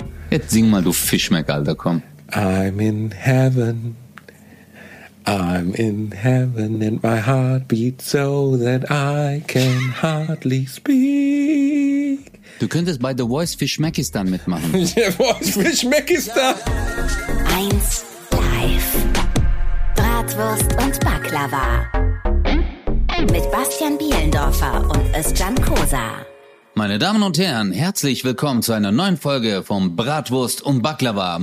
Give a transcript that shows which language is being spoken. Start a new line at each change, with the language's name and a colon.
German: Jetzt sing mal, du Fischmeck, Alter, komm.
English: I'm in heaven and my heart beats so that I can hardly speak.
German: Du könntest bei The Voice Fischmeckistan mitmachen. The Voice Fischmeckistan. Eins live. Bratwurst und Baklava. Mit Bastian Bielendorfer und Özcan Kosa. Meine Damen und Herren, herzlich willkommen zu einer neuen Folge von Bratwurst und Baklava.